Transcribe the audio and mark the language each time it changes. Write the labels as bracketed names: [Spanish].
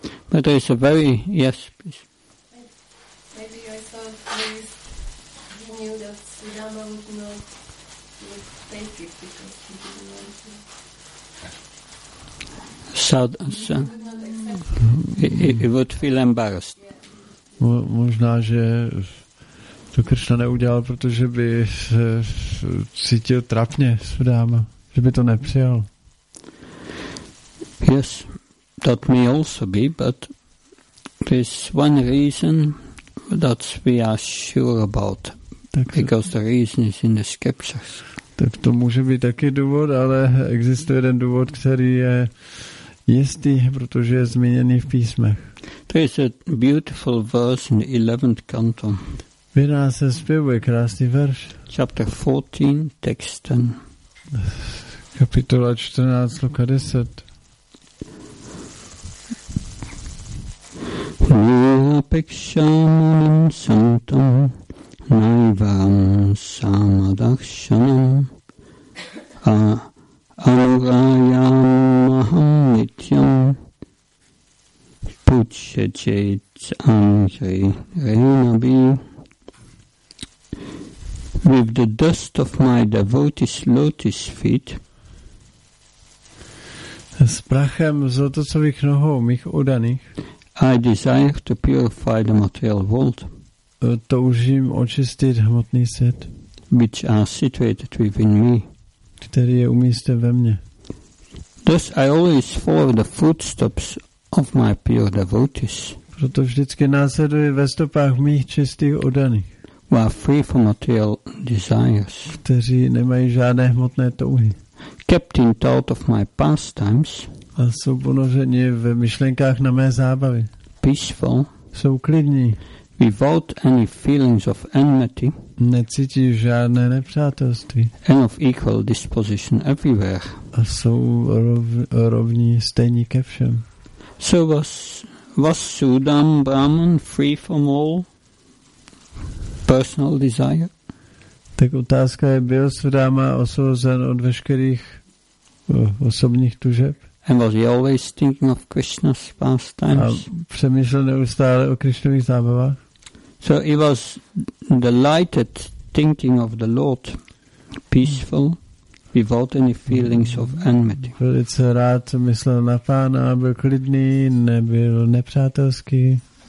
[English] But there is a very yes. Please. Maybe I thought he knew that Sudama would not take it because he didn't want to. He would feel embarrassed. [Czech] Možná, že to Krishna neudělal, protože by se cítil trapně Sudama, že by to nepřijal. [English] Yes, that may also be, but there's one reason that we are sure about, because the reason is in the scriptures. [Czech] Tak to může být taky důvod, ale existuje jeden důvod, který je jistý, protože je zmíněný v písmech. [English] There is a beautiful verse in the 11th canto. [Czech] V 11. zpěvu je krásný verš. [English] Chapter 14, text 10. [Czech] Kapitola 14, loka 10. [Sanskrit] Nirapekshamunam santam naivaram samadakshanam anurayam maham nityam puchyachet anjai renabhi. [English] With the dust of my devotee's lotus feet, [Czech] s prachem zlotocových nohou mých oddaných, [English] I desire to purify the material world. [Czech] Toužím očistit hmotný svět, [English] which are situated within me, [Czech] který je umístěn ve mně. [English] Thus I always follow the footsteps of my pure devotees. [Czech] Proto vždycky následuji ve stopách mých čistých oddaných, [English] who are free from material desires, [Czech] kteří nemají žádné hmotné touhy. [English] Kept in thought of my pastimes, [Czech] a jsou ponořeni v myšlenkách na mé zábavy. [English] Peaceful, [Czech] jsou klidní. [English] Without any feelings of enmity, [Czech] necítí žádné nepřátelství. [English] And of equal disposition everywhere, [Czech] a jsou rovní stejní ke všem. [English] So was Sudam Brahman free from all personal desire? [Czech] Tak otázka je, byl Sudama osvobozen od veškerých osobních tužeb? [English] And was he always thinking of Krishna's pastimes? [Czech] A přemýšlel neustále o Krišnových zábavách? [English] So he was delighted thinking of the Lord, peaceful. without any feelings of enmity. [Czech] Velice rád myslel na Pána, byl klidný, nebyl nepřátelský.